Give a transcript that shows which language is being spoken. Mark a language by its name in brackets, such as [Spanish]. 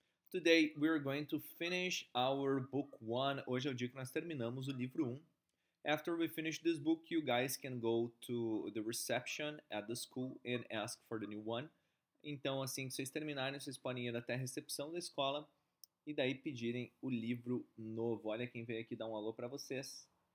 [English] Today we are going to finish our book one. [Portuguese] Hoje é o dia que nós terminamos o livro um. [English] After we finish this book, you guys can go to the reception at the school and ask for the new one. [Portuguese] Então, assim que vocês terminarem, vocês podem ir até a recepção da escola e daí pedirem o livro novo. Olha quem veio aqui dar um alô pra vocês.